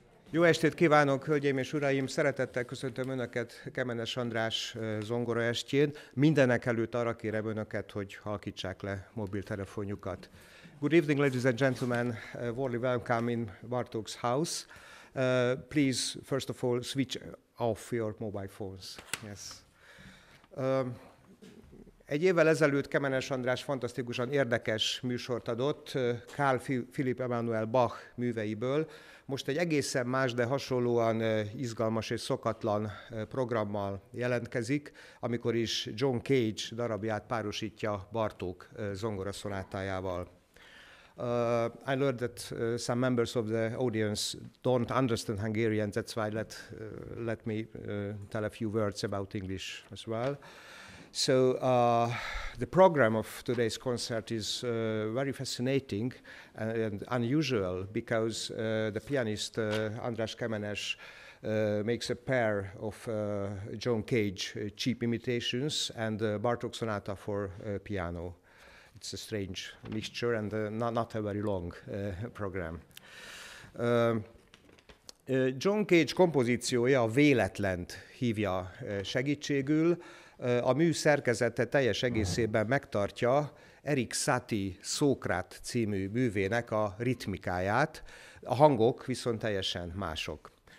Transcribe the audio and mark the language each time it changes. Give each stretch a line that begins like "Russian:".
Hungarian: Jó estét kívánok, hölgyeim és uraim! Szeretettel köszöntöm Önöket Kemenes András zongora estjén. Mindenek előtt arra kérem Önöket, hogy halkítsák le mobiltelefonjukat.
English: Good evening, ladies and gentlemen. Warmly welcome in Bartók's house. Please, first of all, switch off your mobile phones. Yes.
Hungarian: Egy évvel ezelőtt Kemenes András fantasztikusan érdekes műsort adott Carl Philipp Emanuel Bach műveiből. Most egy egészen más, de hasonlóan izgalmas és szokatlan programmal jelentkezik, amikor is John Cage darabját párosítja Bartók zongora szonátájával.
English: I learned that some members of the audience don't understand Hungarian, that's why let me tell a few words about English as well. So the program of today's concert is very fascinating and unusual because the pianist András Kemenes makes a pair of John Cage cheap imitations and Bartók sonata for piano. It's a strange mixture and not a very long program.
Hungarian: John Cage kompozíciója a véletlent hívja segítségül. A mű szerkezete teljes egészében megtartja Erik Satie Szókrát című művének a ritmikáját, a hangok viszont teljesen mások.